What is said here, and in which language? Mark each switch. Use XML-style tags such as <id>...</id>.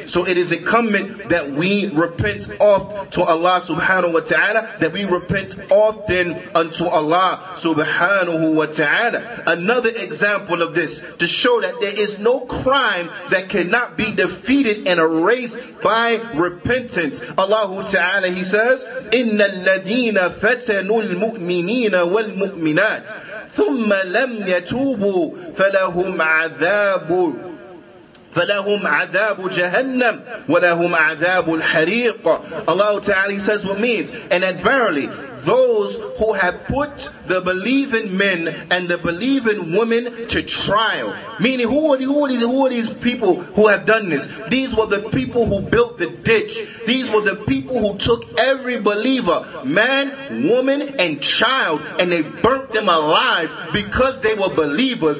<en>So it is incumbent that we repent oft to Allah subhanahu wa ta'ala, that we repent often unto Allah subhanahu wa ta'ala. Another example of this, to show that there is no crime that cannot be defeated and erased by repentance. Allah ta'ala, He says,</en> <ar>إِنَّ الَّذِينَ فَتَنُوا الْمُؤْمِنِينَ وَالْمُؤْمِنَاتِ ثُمَّ لَمْ يَتُوبُوا فَلَهُمْ عَذَابٌ فَلَهُمْ عَذَابُ جَهَنَّمْ وَلَهُمْ عَذَابُ الْحَرِيقُ.</ar> <en>Allah Ta'ala, He says what means, and that verily, those who have put the believing men and the believing women to trial. Meaning, who are these people who have done this? These were the people who built the ditch. These were the people who took every believer, man, woman, and child, and they burnt them alive because they were believers.</en>